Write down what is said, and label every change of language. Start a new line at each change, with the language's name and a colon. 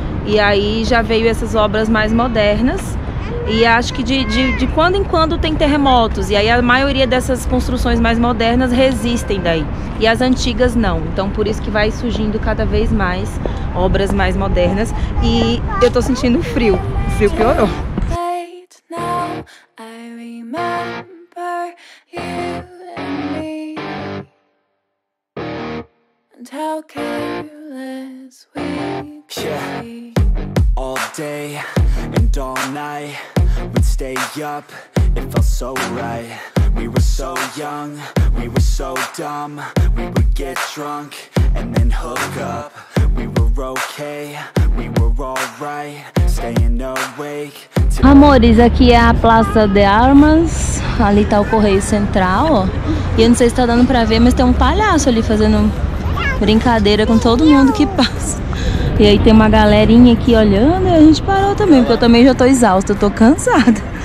Portuguese: E aí já veio essas obras mais modernas. E acho que de quando em quando tem terremotos. E aí a maioria dessas construções mais modernas resistem daí. E as antigas não. Então por isso que vai surgindo cada vez mais obras mais modernas. E eu tô sentindo frio. O frio piorou.
English: Late now, I remember you and me. And how careless we could be. All day and all night, we'd stay up, it felt so right. We were so young, we were so dumb. We would get drunk and then hook up. We were okay, we were alright, staying awake.
Portuguese: Amores, aqui é a Plaza de Armas. Ali tá o Correio Central, ó. E eu não sei se tá dando pra ver, mas tem um palhaço ali fazendo brincadeira com todo mundo que passa. E aí tem uma galerinha aqui olhando e a gente parou também, porque eu também já tô exausta, eu tô cansada.